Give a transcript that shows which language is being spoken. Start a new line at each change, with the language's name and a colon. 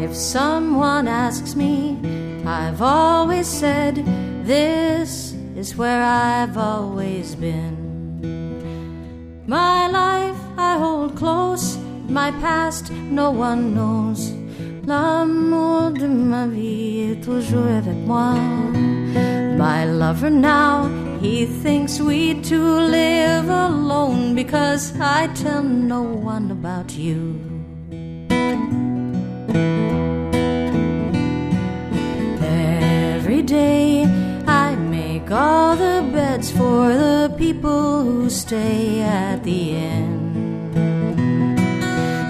English: If someone asks me, I've always said, this is where I've always been. My life I hold close, my past no one knows.
French: L'amour de ma vie est toujours avec moi.
English: My lover now, he thinks we two live alone because I tell no one about you. Every day I make all the beds for the people who stay at the inn.